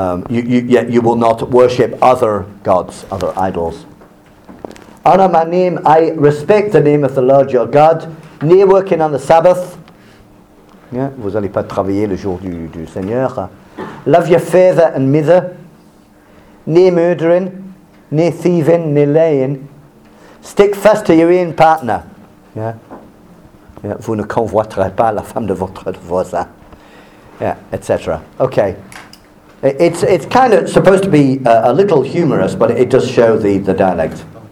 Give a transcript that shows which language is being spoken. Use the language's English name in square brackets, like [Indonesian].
[English] You will not worship other gods, other idols. Honor my name, I respect the name of the Lord your God. Ne working on the Sabbath. [French] Yeah, vous n'allez pas travailler le jour du Seigneur. [English] Love your father and mother. Ne murdering, ne thieving, ne lying. Stick fast to your own partner. Yeah. [French] Yeah, vous ne convoiterez pas la femme de votre voisin. [English] Yeah, etc. Okay. It's kind of supposed to be a little humorous, but it does show the dialect.